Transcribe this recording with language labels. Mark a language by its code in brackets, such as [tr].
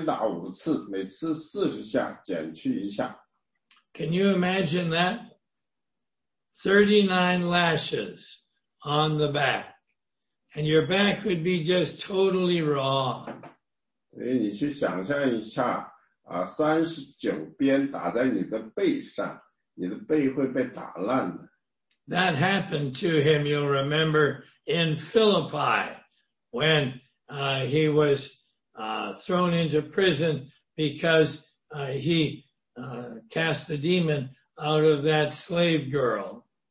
[zh] 因为保罗继续讲他所受的苦，被犹第二世节被犹太人鞭打5次，每次40下，减去1下。 [en] Can you imagine that? 39 lashes on the back, and your back would be just totally raw. [zh] 你去想象一下，39鞭打在你的背上，你的背会被打烂的。 [en] That happened to him, you'll remember, in Philippi when he was thrown into prison because he cast the demon out of that slave girl.